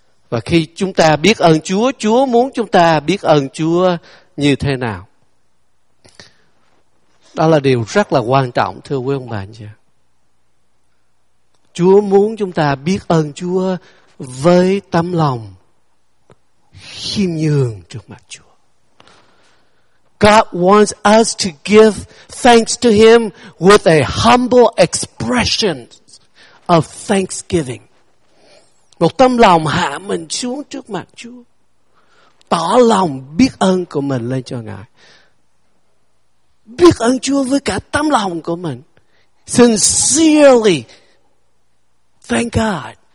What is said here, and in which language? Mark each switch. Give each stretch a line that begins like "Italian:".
Vietnamese: Và khi chúng ta biết ơn Chúa, Chúa muốn chúng ta biết ơn Chúa như thế nào? Đó là điều rất là quan trọng, thưa quý ông bà anh chị. Chúa muốn chúng ta biết ơn Chúa với tấm lòng khiêm nhường trước mặt Chúa.
English: God wants us to give thanks to Him with a humble expression of thanksgiving.
Vietnamese: Một tấm lòng hạ mình xuống trước mặt Chúa, tỏ lòng biết ơn của mình lên cho Ngài. Biết ơn Chúa với cả tấm lòng của mình.
English: Sincerely thank God.